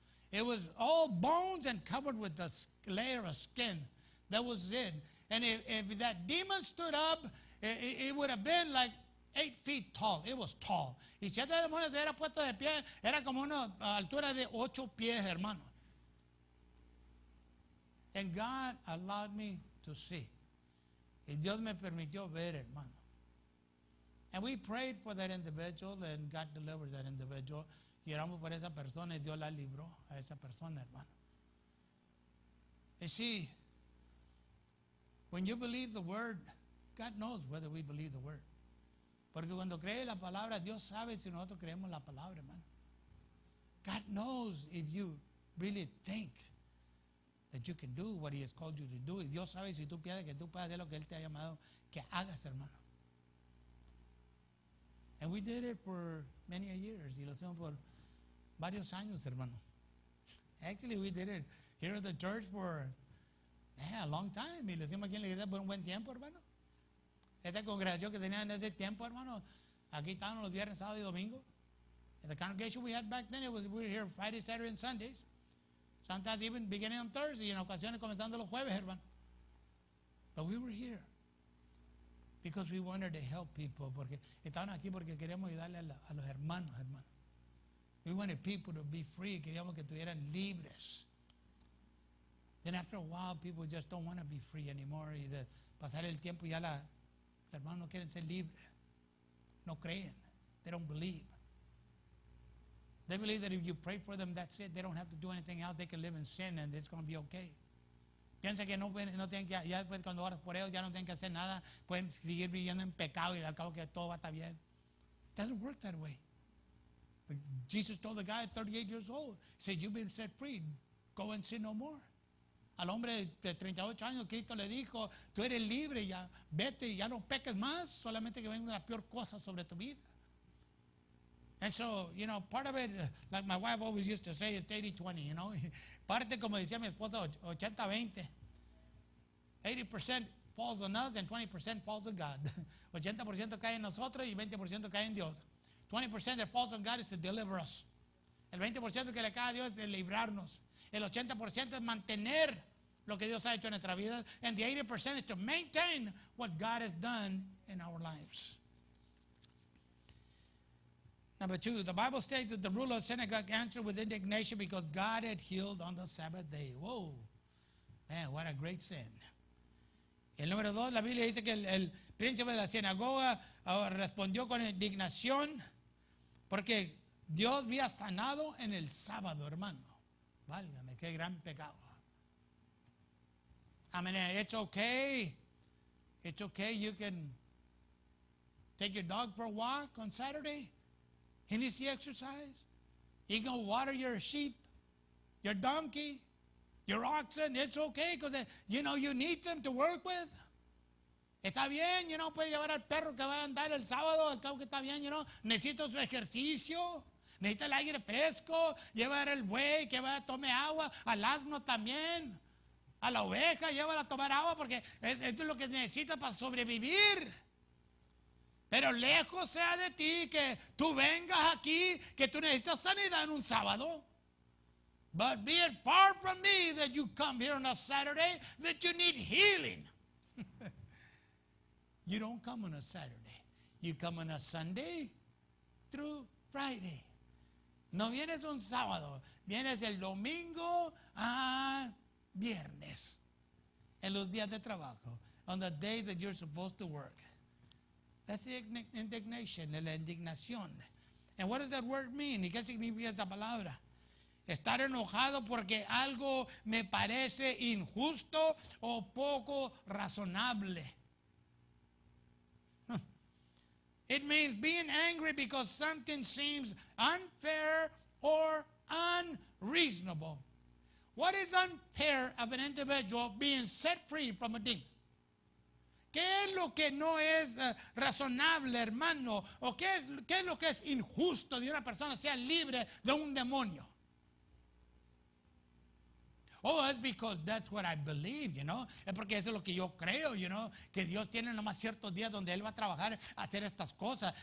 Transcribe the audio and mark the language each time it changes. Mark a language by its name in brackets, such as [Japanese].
[English] It was all bones and covered with a layer of skin. That was it. And if that demon stood up, it would have been like 8 feet tall. It was tall. [Spanish] Y si este demonio era puesto de pie, era como una altura de 8 pies, hermano. [English] And God allowed me to see. [Spanish] Y Dios me permitió ver, hermano. [English] And we prayed for that individual and God delivered that individual. [Spanish] Y oramos por esa persona y Dios la libró a esa persona, hermano. Y sí, [English] when you believe the word, God knows whether we believe the word. [Spanish] Porque cuando cree la palabra, Dios sabe si nosotros creemos la palabra, hermano. [English] God knows if you really think that you can do what he has called you to do. [Spanish] Y Dios sabe si tú piensas que tú puedes hacer lo que él te ha llamado que hagas, hermano. [English] And we did it for many years. [Spanish] Y lo hicimos por varios años, hermano. [English] Actually, we did it here at the church for a long time. [Spanish] Y lo hicimos aquí en la iglesia por un buen tiempo, hermano. Esta congregación que tenían en ese tiempo, hermano, aquí estaban los viernes, sábado y domingo. [English] And the congregation we had back then, we were here Friday, Saturday, and Sundays. Sometimes even beginning on Thursday, [Spanish] en ocasiones comenzando los jueves, hermano. [English] But we were here because we wanted to help people. [Spanish] Porque estaban aquí porque queríamos ayudarle a los hermanos, hermano. [English] We wanted people to be free. [Spanish] Queríamos que estuvieran libres. [English] Then after a while, people just don't want to be free anymore. [Spanish] Y de pasar el tiempo ya los hermanos no quieren ser libres. No creen. [English] They don't believe. They believe that if you pray for them, that's it. They don't have to do anything else. They can live in sin and it's going to be okay. [Spanish] Piensa que no tienen que, ya después cuando oras por ellos, ya no tienen que hacer nada. Pueden seguir viviendo en pecado y al cabo que todo va a estar bien. [English] It doesn't work that way. Jesus told the guy at 38 years old, he said, you've been set free. Go and sin no more. [Spanish] Al hombre de 38 años, Cristo le dijo, tú eres libre ya. Vete y ya no peques más. Solamente que venga la peor cosa sobre tu vida. [English] And so, you know, part of it, like my wife always used to say, it's 80-20, you know. [Spanish] Parte, como decía mi esposa, 80-20. [English] 80% falls on us and 20% falls on God. [Spanish] 80% cae en nosotros y 20% cae en Dios. [English] 20% that falls on God is to deliver us. [Spanish] El 20% que le cae a Dios es de librarnos. El 80% es mantener lo que Dios ha hecho en nuestra vida. [English] And the 80% is to maintain what God has done in our lives. Number two, the Bible states that the ruler of the synagogue answered with indignation because God had healed on the Sabbath day. Whoa, man, what a great sin. [Spanish] El número dos, la Biblia dice que el príncipe de la sinagoga respondió con indignación porque Dios había sanado en el sábado, hermano. Válgame, qué gran pecado. [English] I mean, it's okay. It's okay, you can take your dog for a walk on Saturday. He needs the exercise. He can water your sheep, your donkey, your oxen. It's okay because, you know, you need them to work with. [Spanish] Está bien, you know, puede llevar al perro que va a andar el sábado. Al cabo que está bien, you know, necesito su ejercicio. Necesita el aire fresco. Llevar el buey que vaya a tomar agua. Al asno también. A la oveja, llévala a tomar agua porque esto es lo que necesita para sobrevivir. Pero lejos sea de ti que tú vengas aquí, que tú necesitas sanidad en un sábado. [English] But be it far from me that you come here on a Saturday that you need healing. You don't come on a Saturday. You come on a Sunday through Friday. [Spanish] No vienes un sábado. Vienes del domingo a viernes. En los días de trabajo. [English] On the day that you're supposed to work. That's the indignation, [Spanish] la indignación. [English] And what does that word mean? [Spanish] ¿Y qué significa esa palabra? Estar enojado porque algo me parece injusto o poco razonable. [English] It means being angry because something seems unfair or unreasonable. What is unfair of an individual being set free from a demon? [Spanish] ¿Qué es lo que no es razonable, hermano? ¿O qué es lo que es injusto de una persona sea libre de un demonio? [English] Oh, it's because that's what I believe, you know. [Spanish] Es porque eso es lo que yo creo, you know. Que Dios tiene nomás ciertos días donde Él va a trabajar a hacer estas cosas.